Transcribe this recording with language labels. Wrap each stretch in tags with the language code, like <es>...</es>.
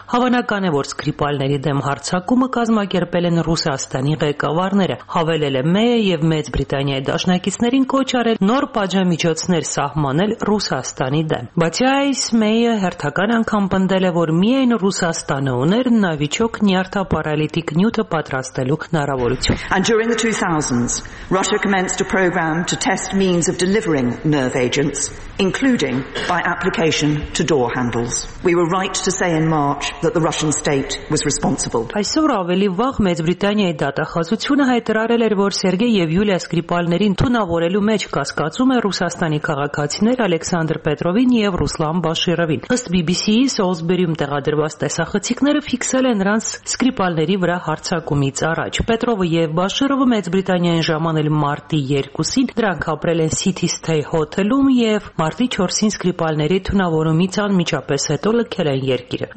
<hy>Հավանական է, որ Սկրիպալների դեմ հարձակումը կազմակերպել են Ռուսաստանի ղեկավարները, հավելել է Մեյը, և Մեծ Բրիտանիայի դաշնակիցներին կոչ արել նոր պատժամիջոցներ սահմանել Ռուսաստանի դեմ։ Բայց այս Մեյը հերթական անգամ պնդել է, որ միայն Ռուսաստանը ուներ Նավիչոկ նյարդապարալիտիկ նյութը պատրաստելու հնարավորություն։</hy> <en>And during the 2000s, Russia commenced a program to test means of delivering nerve agents, including by application to door handles. We were right to say in March that the Russian state was responsible.</en> <hy>Այսօր ավելի վաղ Մեծ Բրիտանիայի դատախազությունը հայտարարել էր, որ Սերգեյ և Յուլիա Սկրիպալներին թունավորելու մեջ կասկածում է Ռուսաստանի քաղաքացիներ Ալեքսանդր Պետրովին և Ռուսլան Բաշիրովին։ Ըստ BBC-ի Սոլսբերիում տեղադրված տեսախցիկները ֆիքսել են նրանց Սկրիպալների վրա հարձակումից առաջ։ Պետրովը և Բաշիրովը Մեծ Բրիտանիայի ժամանել մարտի 2-ին, դրանք ապրել են City Stay Hotel-ում և մարտի 4-ին Սկրիպալների թունավորումից անմիջապես հետո լքել են երկիրը։</hy>